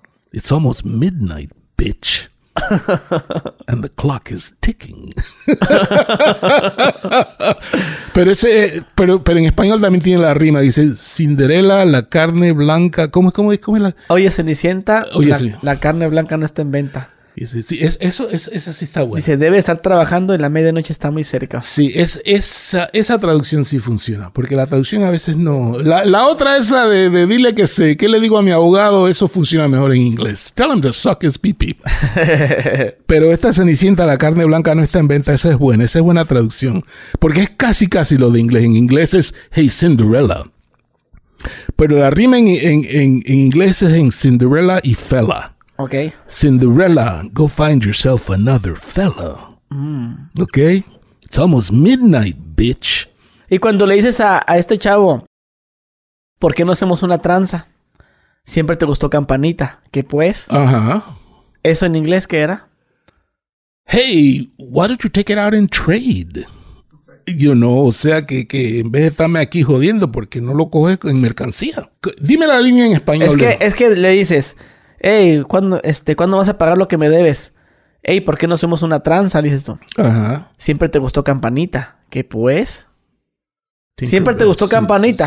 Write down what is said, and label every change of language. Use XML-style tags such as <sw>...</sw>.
<en>It's almost midnight, bitch. And the clock is ticking.</en> <es>pero en español también tiene la rima. Dice Cinderella, la carne blanca. ¿Cómo es la? Oye, Cenicienta, la carne blanca no está en venta. Dice, sí, esa sí está buena. Dice, debe estar trabajando y la medianoche está muy cerca. Sí, esa traducción sí funciona. Porque la traducción a veces no. La otra, esa de dile que sé, ¿qué le digo a mi abogado? Eso funciona mejor en inglés.</es> <en>Tell him to suck his pee pee.</en> <es>Pero esta Cenicienta, la carne blanca no está en venta. Esa es buena traducción. Porque es casi lo de inglés. En inglés es</es> <en>hey Cinderella.</en> <es>Pero la rima en inglés es en Cinderella y fella.</es> <en>Okay. Cinderella, go find yourself another fella. Mm. Okay. It's almost midnight, bitch.</en> <es>Y cuando le dices a este chavo, ¿por qué no hacemos una tranza? Siempre te gustó Campanita. ¿Qué pues? Ajá. ¿Eso en inglés qué era?</es> <en>Hey, why don't you take it out and trade? You know,</en> <es>o sea que en vez de estarme aquí jodiendo, ¿por qué no lo coges en mercancía? Dime la línea en español. Es que le dices... Ey, ¿cuándo vas a pagar lo que me debes? Ey, ¿por qué no hacemos una tranza? Le dices tú. Ajá. Siempre te gustó Campanita. ¿Qué pues? Siempre te gustó Campanita.</es>